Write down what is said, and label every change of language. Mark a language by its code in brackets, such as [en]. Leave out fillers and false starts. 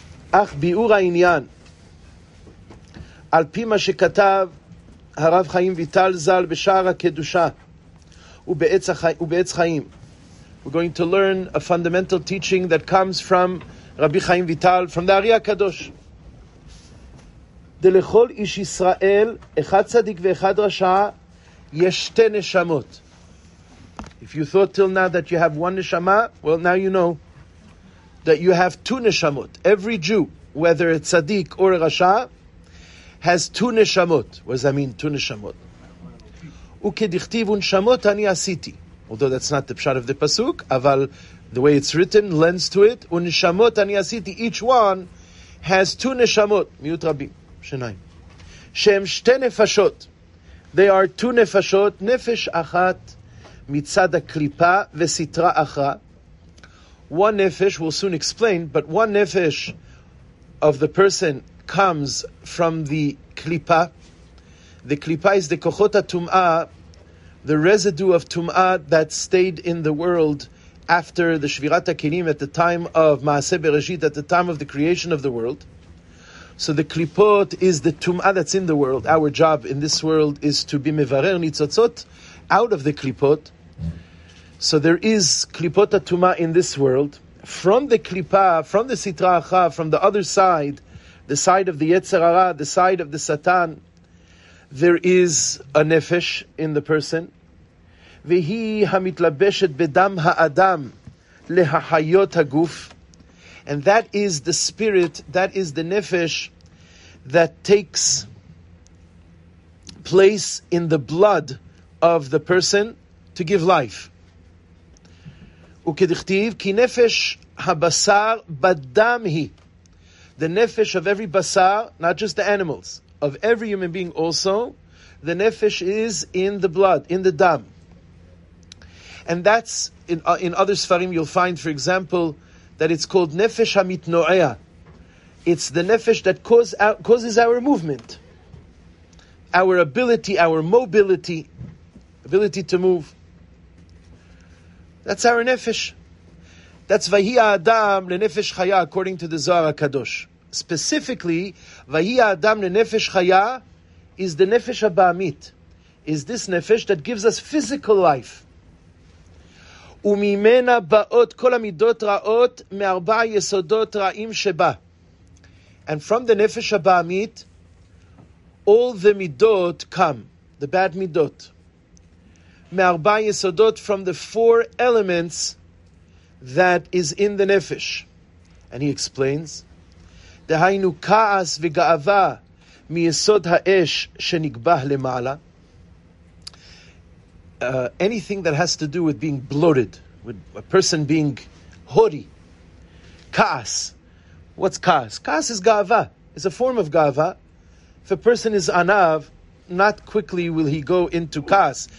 [he] אך ביאור העניין, על פי מה שכתב הרב חיים ויטל ז"ל בשער הקדושה ובעץ חיים, [en] we're going to learn a fundamental teaching that comes from רבי חיים ויטל, from the Ari HaKadosh. [he] דלכל איש ישראל, אחד צדיק ואחד רשע, יש שתי נשמות. [en] If you thought till now that you have one neshama, well, now you know that you have two neshamot. Every Jew, whether a tzaddik or a rasha, has two neshamot. What does that mean, two neshamot? [he] וכדכתיב ונשמות אני עשיתי. [en] Although that's not the pshat of the pasuk, אבל the way it's written lends to it. [he] ונשמות אני עשיתי. [en] Each one has two neshamot. [he] מיעוט רבים. שניים. שהם שתי נפשות. [en] They are two [he] נפשות, נפש אחת מצד הקליפה וסתרה אחרה. [en] One נפש, we'll soon explain, but one נפש of the person comes from the קליפה. The קליפה is the כוחות הטומאה, the residue of טומאה that stayed in the world after the שבירת הכלים, at the time of מעשה בראשית, at the time of the creation of the world. So the klipot is the tum'ah that's in the world. Our job in this world is to be mevarer nitzotzot out of the klipot. So there is klipot ha-tum'ah in this world. From the klipah, from the sitra acha, from the other side, the side of the yetzer hara, the side of the satan, there is a nefesh in the person. [he] V'hi hamitlabeshet bedam ha'adam lehahayot haguf. [en] And that is the spirit, that is the nefesh that takes place in the blood of the person to give life. [he] וכדכתיב, כי נפש הבשר בדם היא. [en] The nefesh of every basar, not just the animals, of every human being also, the nefesh is in the blood, in the dam. And that's, in other sfarim you'll find, for example, that it's called nefesh hamitno'ea. It's the nefesh that causes our movement, our ability, our mobility, ability to move. That's our nefesh. That's vayhi adam lenefesh chaya, according to the Zohar HaKadosh. Specifically, vayhi adam lenefesh chaya is the nefesh habamit, is this nefesh that gives us physical life. [he] וממנה באות כל המידות רעות מארבע יסודות רעים שבה. [en] And from the nefesh הבאמית, all the midot come, the bad midot. [he] מארבע יסודות, [en] from the four elements that is in the nefesh. And he explains, [he] דהיינו כעס וגאווה מיסוד האש שנגבה למעלה. [en] Anything that has to do with being bloated, with a person being hori, kaas. What's kaas? Kaas is gaava. It's a form of gaava. If a person is anav, not quickly will he go into kaas.